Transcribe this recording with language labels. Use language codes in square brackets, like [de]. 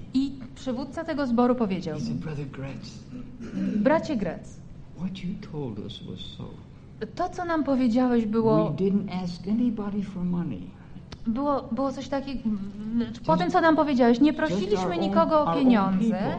[pl] i przywódca tego zboru powiedział mi, [en] brother Gretz, [pl] bracie Gretz, [en] what you told us was so. [pl] To, co nam powiedziałeś, było. [en] We didn't ask anybody for money. [pl] Było coś takiego. Po tym, co nam powiedziałeś, nie prosiliśmy nikogo o pieniądze.